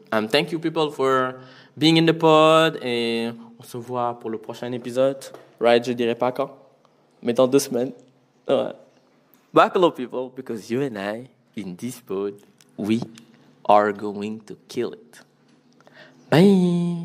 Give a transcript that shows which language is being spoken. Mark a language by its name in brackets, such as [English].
[English] Thank you people for being in the pod. [French] Et on se voit pour le prochain épisode. [English] Right, [French] je dirai pas quand, mais dans 2 semaines. Ouais. [English] Buckle up, people, because you and I, in this pod, we are going to kill it. Bye.